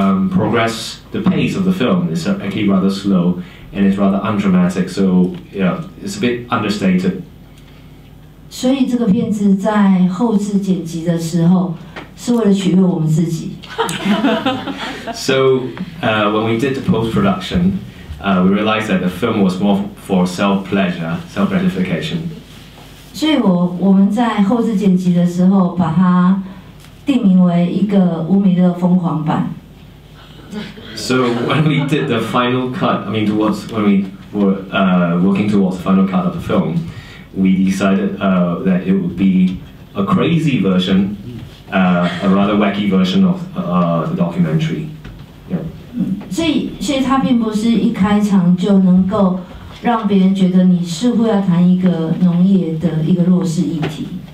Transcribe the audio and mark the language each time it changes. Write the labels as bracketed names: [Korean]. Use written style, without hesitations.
[English] Progress, the pace of the film is actually rather slow and it's rather undramatic, so yeah, it's a bit understated. [Chinese] 所以这个片子在后制剪辑的时候是为了取悦我们自己。 [English] So, when we did the post-production, we realized that the film was more for self-pleasure, self-gratification. [Chinese] 所以我们在后制剪辑的时候把它定名为一个乌米勒疯狂版。 [English] So when we did the final cut, I mean, when we were working towards the final cut of the film, we decided that it would be a crazy version, a rather wacky version of the documentary. Yeah. [Chinese] 所以它并不是一开场就能够让别人觉得你似乎要谈一个农业的一个弱势议题。